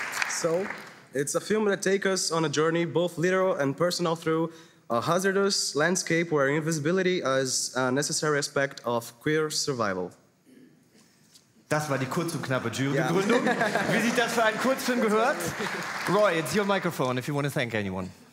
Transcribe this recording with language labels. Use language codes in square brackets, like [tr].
[en] So, it's a film that takes us on a journey, both literal and personal, through a hazardous landscape where invisibility is a necessary aspect of queer survival. [de] Das war die kurze und knappe Jury-Begründung. Yeah. Wie sich das für einen Kurzfilm gehört? [en] Roy, it's your microphone, if you want to thank anyone.